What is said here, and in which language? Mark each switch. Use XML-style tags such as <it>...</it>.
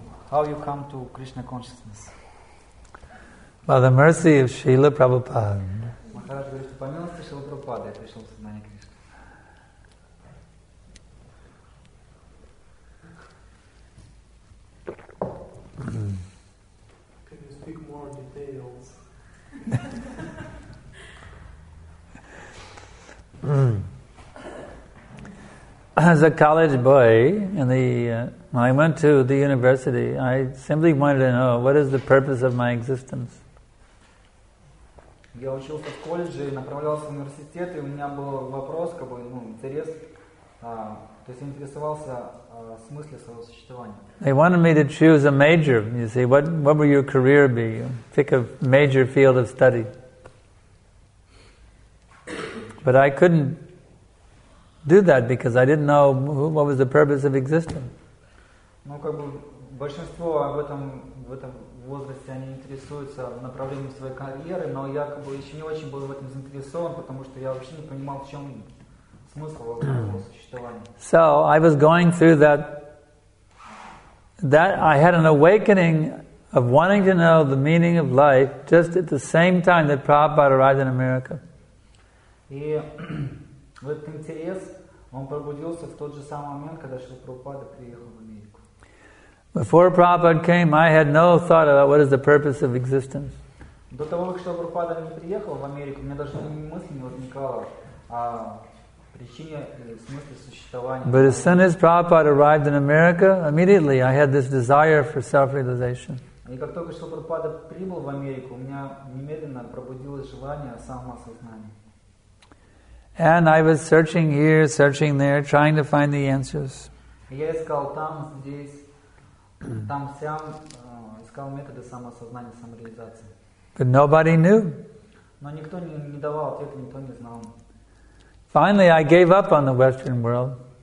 <en>How you come to Krishna consciousness? By the mercy of Srila Prabhupada.</en> <ru>Махарадж говорит, по милости Шрилы Прабхупады я пришел в сознание Кришны.</ru> <en>Can you speak more details? Mm. as a college boy, in the when I went to the university, I simply wanted to know what is the purpose of my existence.</en> <ru>Я учился в колледже, направлялся в университет, и у меня был вопрос, как бы, ну, интерес. То есть я интересовался смыслом своего существования.</ru> <en>They wanted me to choose a major. You see, what will your career be? Pick a major field of study. But I couldn't do that because I didn't know what was the purpose of existence.</en> <ru>Ну, как бы, большинство об этом в этом возрасте они интересуются направлением своей карьеры, но я, как бы, еще не очень был в этом заинтересован, потому что я вообще не понимал, в чем смысл моего существования.</ru> <en>So I was going through that I had an awakening of wanting to know the meaning of life just at the same time that Prabhupada arrived in America.</en> <ru>И этот интерес, он пробудился в тот же самый момент, когда Шрила Прабхупада приехал в Америку.</ru> <en>Before Prabhupada came, I had no thought about what is the purpose of existence.</en> <ru>До того, как Шрила Прабхупада не приехал в Америку, у меня даже ни мысли не возникало о причине или смысле существования.</ru> <en>But as soon as Prabhupada arrived in America, immediately I had this desire for self-realization.</en> <ru>И как только Шрила Прабхупада прибыл в Америку, у меня немедленно пробудилось желание самосознания.</ru> <en>And I was searching here, searching there, trying to find the answers.</en> <ru>Я искал там, здесь. Там сам искал методы самосознания, самореализации.</ru> <en>But nobody knew.</en> <ru>Но никто не давал ответа, никто не знал.</ru> <en>Finally, I gave up on the Western world.</en>